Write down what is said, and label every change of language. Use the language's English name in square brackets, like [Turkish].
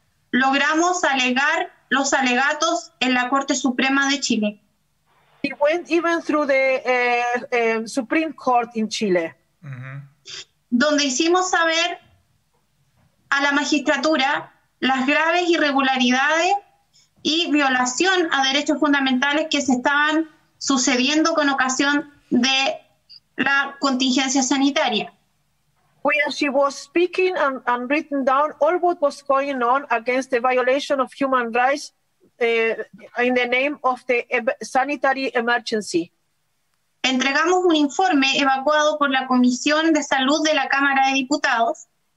[Spanish] Logramos alegar los alegatos en la Corte Suprema de Chile. [English] She went even through the Supreme Court in Chile. Mm-hmm. [Spanish] Donde hicimos saber a la magistratura las graves irregularidades y violación a derechos fundamentales que se estaban sucediendo con ocasión de la contingencia sanitaria. [English] When she was speaking and written down all what was going on against the violation of human rights in the name of the sanitary emergency. [Spanish] Entregamos un informe evacuado por la Comisión de Salud de la Cámara de Diputados.